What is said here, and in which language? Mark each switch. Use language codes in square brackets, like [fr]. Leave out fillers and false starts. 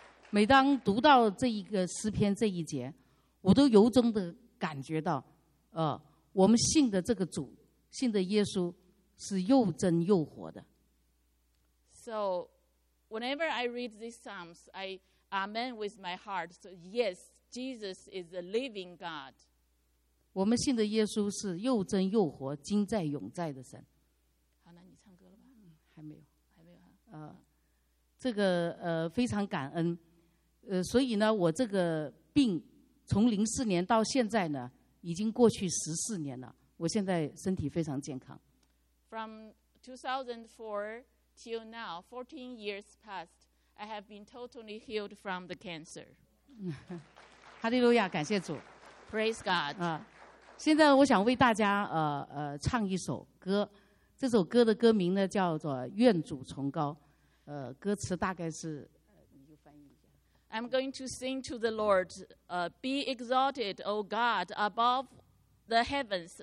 [zh] 每当读到这一个诗篇这一节，我都由衷的感觉到，我们信的这个主，信的耶稣，是又真又活的。 [en] So, whenever I read these psalms, I Amen with my heart. So yes, Jesus is the living God. [zh] 我们信的耶稣是又真又活、今在永在的神。好，那你唱歌了吧？还没有，还没有哈。这个非常感恩。所以呢，我这个病从2004年到现在呢，已经过去14年了。我现在身体非常健康。 [en] From 2004 till now, 14 years passed. I have been totally healed from the cancer. [zh] Hallelujah, 感谢主。 [en] Praise God. [zh] 现在我想为大家唱一首歌。这首歌的歌名呢叫做愿主崇高。歌词大概是你就翻译一下。 [en] I'm going to sing to the Lord, Be exalted, O God, above the heavens.